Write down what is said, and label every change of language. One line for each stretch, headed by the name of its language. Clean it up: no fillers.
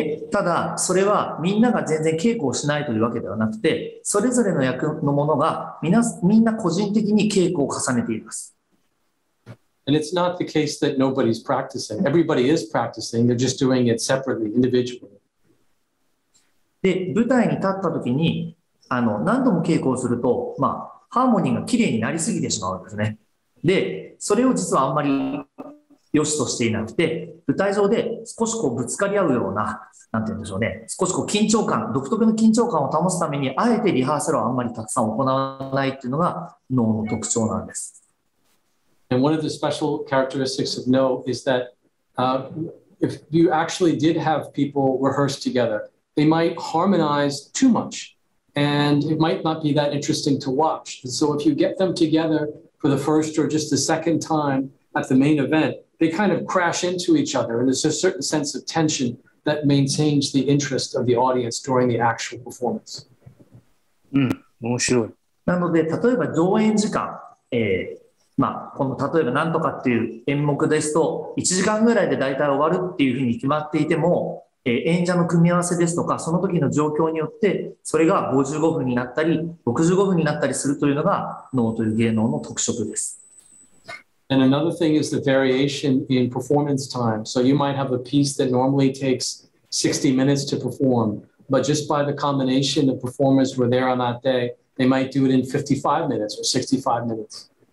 Japanese: ただそれはみんなが全然稽古をしないというわけではなくて、それぞれの役のものがみんな個人的に稽古を重ねています。
English: And it's not the case that nobody's practicing. Everybody is practicing. They're just doing it separately, individually.
Japanese: で、舞台に立った時に、何度も稽古をすると、まあ、ハーモニーが綺麗になりすぎてしまうんですね。で、それを実はあんまり良しとしていなくて、舞台上で少しこうぶつかり合うような、なんて言うんでしょうね。少しこう緊張感、独特の緊張感を保つために、あえてリハーサルをあんまりたくさん行わないっていうのが能の特徴なんです。
English: And one of the special characteristics of no is that if you actually did have people rehearse together, they might harmonize too much and it might not be that interesting to watch. And so if you get them together for the first or just the second time at the main event, they kind of crash into each other. And there's a certain sense of tension that maintains the interest of the audience during the actual performance.
Japanese: 面白い。なので、例えば上演時間、まあ、この例えば何とかっていう演目ですと1時間ぐらいで大体終わるっていうふうに決まっていても、演者の組み合わせですとかその時の状況によってそれが55分になったり65分になったりするというのが能という芸能の特色です。
English: And another thing is the variation in performance time. So you might have a piece that normally takes 60 minutes to perform. But just by the combination of performers who were there on that day, they might do it in 55 minutes or 65 minutes.